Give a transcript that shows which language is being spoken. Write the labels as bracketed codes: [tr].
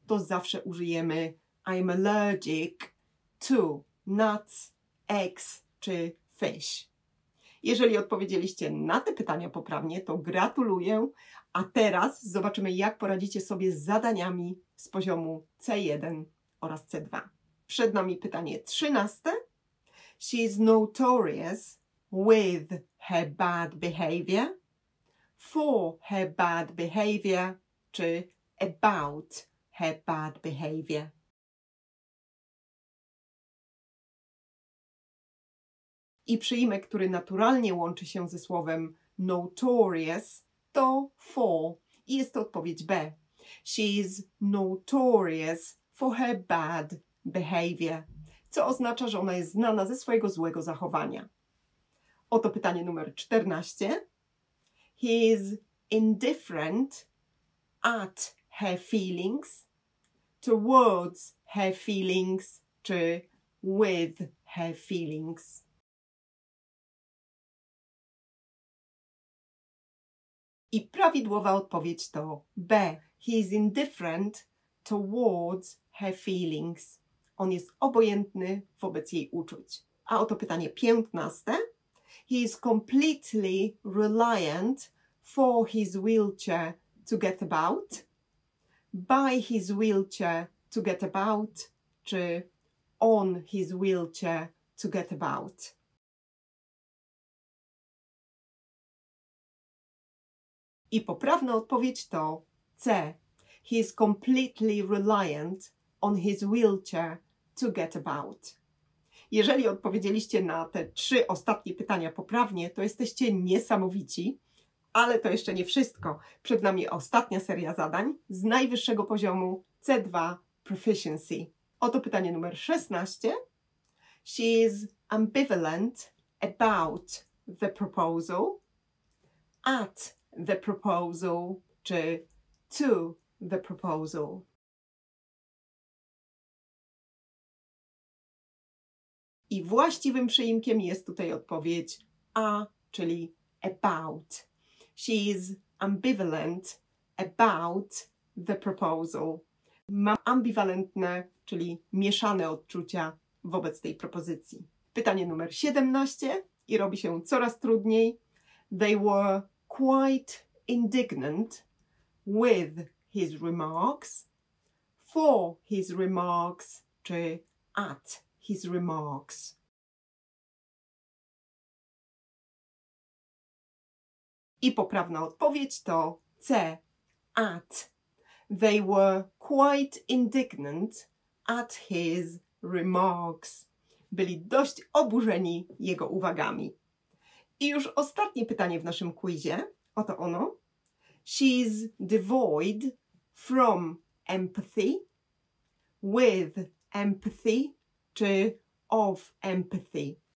[pl] to zawsze użyjemy [en] I'm allergic to nuts, eggs [pl] czy [en] fish. [pl] Jeżeli odpowiedzieliście na te pytania poprawnie, to gratuluję. A teraz zobaczymy, jak poradzicie sobie z zadaniami z poziomu C1 oraz C2. Przed nami pytanie 13. [en] She is notorious with her bad behavior, for her bad behavior, [pl] czy [en] about her bad behavior. [pl] I przyimek, który naturalnie łączy się ze słowem notorious, to for. I jest to odpowiedź B. [en] She is notorious for her bad behavior. [pl] Co oznacza, że ona jest znana ze swojego złego zachowania. Oto pytanie numer 14. [en] He is indifferent at her feelings, towards her feelings, [pl] czy [en] with her feelings. [pl] I prawidłowa odpowiedź to B. [en] He is indifferent towards her feelings. [pl] On jest obojętny wobec jej uczuć. A oto pytanie 15. [en] He is completely reliant for his wheelchair to get about. By his wheelchair to get about, [pl] czy [en] on his wheelchair to get about. [pl] I poprawna odpowiedź to C. [en] He is completely reliant on his wheelchair to get about. [pl] Jeżeli odpowiedzieliście na te trzy ostatnie pytania poprawnie, to jesteście niesamowici, ale to jeszcze nie wszystko. Przed nami ostatnia seria zadań z najwyższego poziomu C2 Proficiency. Oto pytanie numer 16. [en] She is ambivalent about the proposal at the proposal, [pl] czy [en] to the proposal. [pl] I właściwym przyimkiem jest tutaj odpowiedź a, czyli about. [en] She is ambivalent about the proposal. [pl] Ma ambiwalentne, czyli mieszane odczucia wobec tej propozycji. Pytanie numer 17 i robi się coraz trudniej. [en] They were quite indignant with his remarks, for his remarks, [pl] czy [en] at his remarks. [pl] I poprawna odpowiedź to C, at. [en] They were quite indignant at his remarks. [pl] Byli dość oburzeni jego uwagami. I już ostatnie pytanie w naszym quizie. Oto ono. [en] She's devoid from empathy, with empathy, [pl] czy [en] of empathy.